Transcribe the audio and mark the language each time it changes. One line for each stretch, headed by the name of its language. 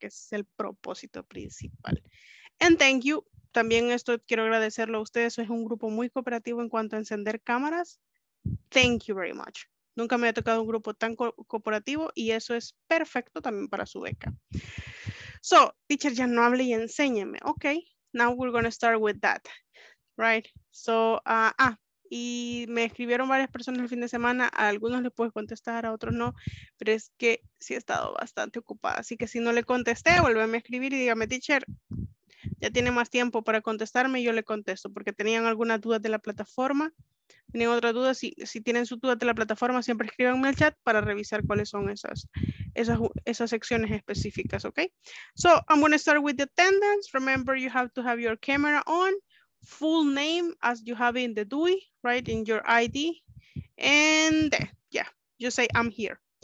Spanish: Que es el propósito principal.
English: And thank you.
Spanish: También esto quiero agradecerlo a ustedes. Es un grupo muy cooperativo en cuanto a encender cámaras.
English: Thank you very much.
Spanish: Nunca me ha tocado un grupo tan cooperativo y eso es perfecto también para su beca. So, teacher, ya no hable y enséñeme.
English: Ok, now we're going to start with that. Right.
Spanish: So, y me escribieron varias personas el fin de semana, a algunos les puedo contestar, a otros no, pero es que sí he estado bastante ocupada, así que si no le contesté, vuélveme a escribir y dígame, teacher, ya tiene más tiempo para contestarme y yo le contesto, porque tenían algunas dudas de la plataforma, tienen otras dudas, si tienen sus dudas de la plataforma, siempre escríbanme al chat para revisar cuáles son esas secciones específicas, ¿ok?
English: So, I'm going to start with the attendance, remember you have to have your camera on, full name as you have in the DUI, right, in your ID, and yeah, you say I'm here.